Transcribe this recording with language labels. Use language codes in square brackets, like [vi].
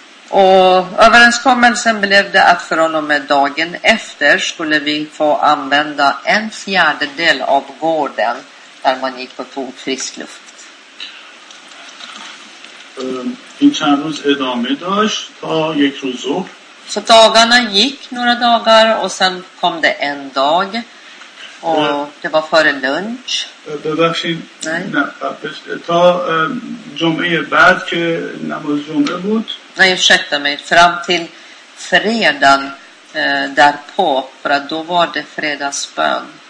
[sv] Och överenskommelsen blev det att från och med dagen efter skulle vi få använda en fjärdedel av gården där man gick och tog frisk luft. [fa] این چند روز ادامه داشت تا یک روز ظهر. [sv] Så dagarna gick några dagar och sen kom det en dag. Och det var före lunch. [fa] ببخشید. [sv] Nej. [fa] تا جمعه بعد که نماز جمعه بود. [sv] Nej, ursäkta mig. Fram till fredagen därpå, för att då var det fredagsbön.